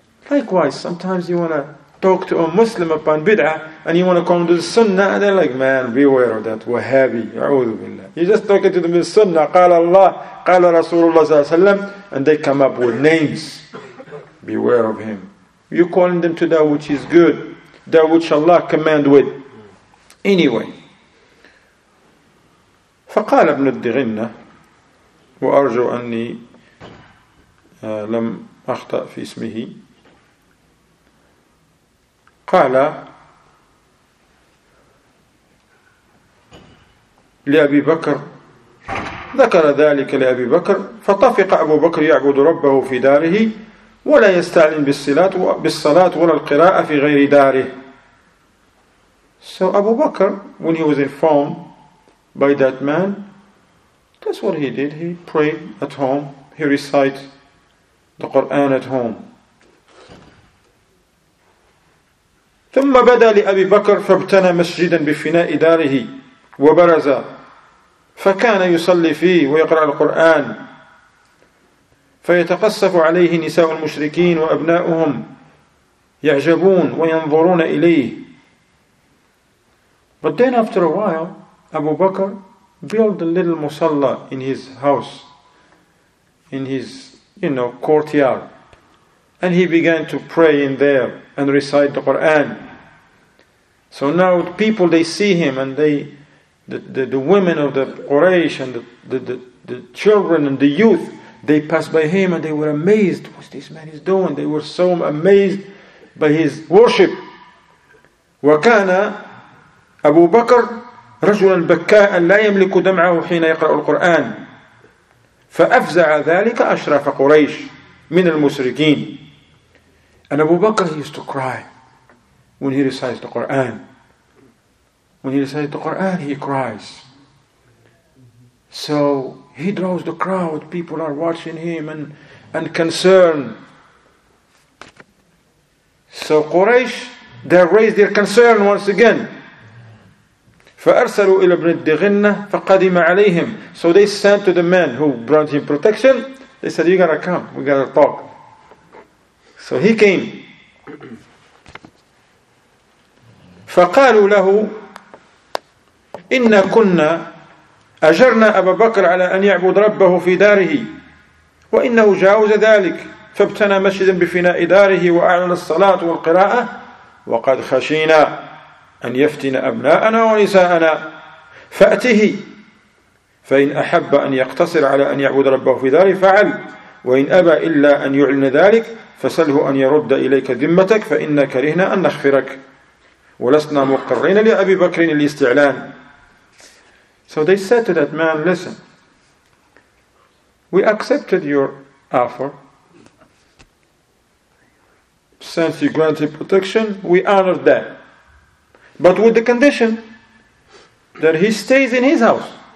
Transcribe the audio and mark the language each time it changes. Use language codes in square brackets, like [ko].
[en] Likewise, sometimes you want to talk to a Muslim upon bid'ah and you want to come to the sunnah and they're like, man, beware of that Wahhabi. [ar] أعوذ بالله. [en] You're just talking to them in the sunnah. [ar] قَالَ اللَّهُ قَالَ رَسُولُ اللَّهِ صَلَّى اللَّهُ عَلَيْهِ وَسَلَّمَ. [en] And they come up with names. Beware of him. You're calling them to that which is good, that which Allah command with. Anyway. [ar] فقال ابن الدغنة وأرجو أني لم أخطأ في اسمه قال لأبي بكر ذكر ذلك لأبي بكر فطفق أبو بكر يعبد ربه في داره ولا يستعين بالصلاة ولا القراءة في غير داره. [en] So Abu Bakr, when he was informed by that man, that's what he did. He prayed at home. He recited the Quran at home. [ar] ثم بدا لأبي بكر فابتنى مسجدا بفناء داره وبرز فكان يصلي فيه ويقرأ القرآن فيتقصف عليه نساء المشركين وأبناؤهم يعجبون وينظرون إليه. [en] But then after a while, Abu Bakr built a little musalla in his house, in his, you know, courtyard. And he began to pray in there and recite the Qur'an. So now people, they see him and they, the women of the Quraysh and the children and the youth, they pass by him and they were amazed what this man is doing. They were so amazed by his worship. [ar] وَكَانَ أبو بكر رجلا بكاء لا يملك دمعه حين يقرأ القرآن فأفزع ذلك أشرف قريش من المشركين. [en] And Abu Bakr, he used to cry when he recites the Quran. When he recites the Quran, he cries. So he draws the crowd, people are watching him and concerned. So Quraysh, they raised their concern once again. [ar] فأرسلوا إلى ابن الدغنة فقدم عليهم. [en] So they sent to the man who brought him protection. They said, you gotta come, we gotta talk. So he came. [ar] فقالوا له إن كنا أجرنا أبا بكر على أن يعبد ربه في داره وإنه جاوز ذلك فابتنى مسجدا بفناء داره وأعلن الصلاة والقراءة وقد خشينا أن يفتن أبناءنا ونساءنا فأته فإن أحب أن يقتصر على أن يعبد ربه في داره فعل وإن أبى إلا أن يعلن ذلك فسله أن يرد إليك ذمتك فإن كرهنا أن نخفرك ولسنا مقرين لأبي بكر الاستعلان. [en] So they said to that man, listen, we accepted your offer. Since you granted protection, we honor that. But with the condition that he stays in his house.